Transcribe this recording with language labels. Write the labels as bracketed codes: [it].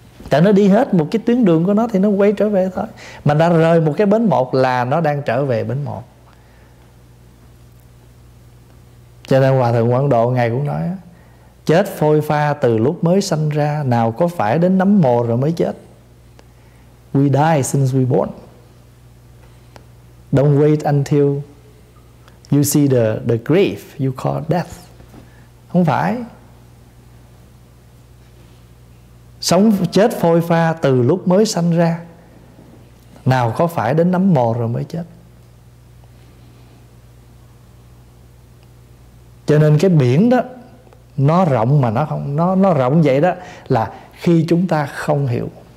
[vi] Tại nó đi hết một cái tuyến đường của nó thì nó quay trở về thôi. Mà đã rời một cái bến 1 là nó đang trở về bến 1. Cho nên Hòa Thượng Quảng Độ ngày cũng nói chết phôi pha từ lúc mới sanh ra, nào có phải đến nấm mồ rồi mới chết. [en] We die since we born. Don't wait until you see the grief you call death. [vi] Không phải. Sống chết phôi pha từ lúc mới sanh ra, nào có phải đến nấm mồ rồi mới chết. Cho nên cái biển đó nó rộng mà nó không nó rộng vậy đó là khi chúng ta không hiểu.